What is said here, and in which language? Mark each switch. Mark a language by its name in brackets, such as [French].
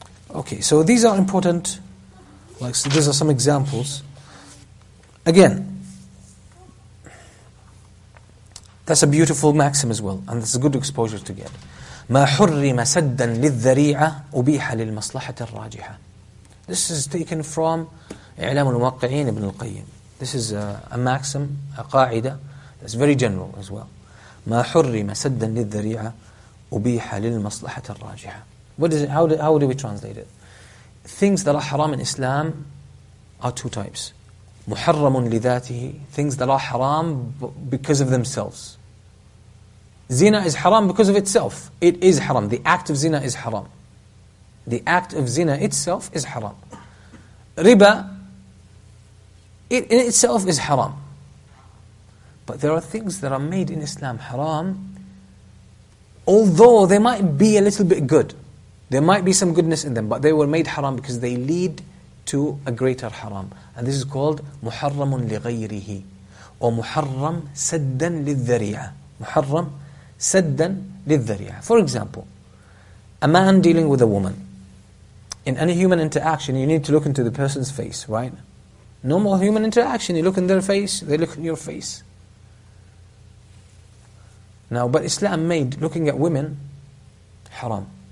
[English] Okay, so these are important. Like, so these are some examples. Again, That's a beautiful maxim as well, and that's a good exposure to get. [Arabic] ما حرم سدا للذريعة أبيح للمصلحة الراجحة. [English] This is taken from إعلام الموقعين ابن القيم. This is a maxim, a قاعدة. That's very general as well. [Arabic] ما حرم سدا للذريعة أبيح للمصلحة الراجحة. [English] What is it? How do we translate it? Things that are haram in Islam are two types. [Arabic] محرم لذاته. [English] Things that are haram because of themselves. Zina is haram because of itself. It is haram. The act of zina is haram. The act of zina itself is haram. Riba, it in itself is haram. But there are things that are made in Islam haram, although they might be a little bit good. There might be some goodness in them, but they were made haram because they lead to a greater haram. And this is called muharramun لِغَيْرِهِ or muharram سَدًّا لِلذَّرِيعَ. [Arabic] Muharram سَدًّا لِلذَّرِيعَ. [English] For example, a man dealing with a woman. In any human interaction, you need to look into the person's face, right? Normal human interaction, you look in their face, they look in your face. Now, but Islam made looking at women haram.